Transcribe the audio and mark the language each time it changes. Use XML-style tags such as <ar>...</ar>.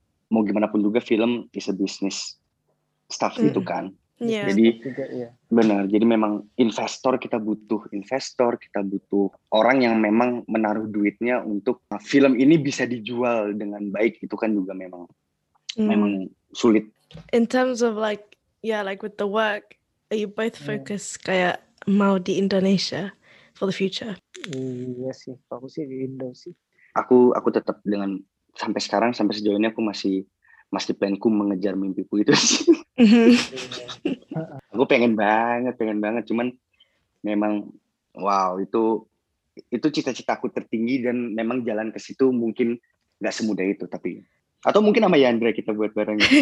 <id>Mau gimana pun juga</id> <en>film is a business stuff</en> <id>gitu kan.</id> <en>Yeah.</en> <id>Jadi benar, jadi memang investor, kita butuh investor, kita butuh orang yang memang menaruh duitnya untuk film ini bisa dijual dengan baik, itu kan juga memang memang sulit.</id> <en>In terms of like, yeah, like with the work, are you both focused</en> <id>kayak mau di Indonesia</id> <en>for the future?</en> <id>Iya sih, aku sih di Indo sih. Aku tetap dengan sampai sekarang, sampai sejauh ini aku masih planku mengejar mimpiku itu sih. Aku pengen banget, cuman memang wow, itu cita-citaku tertinggi dan memang jalan ke situ mungkin nggak semudah itu, tapi atau mungkin sama Yandra kita buat bareng.</id>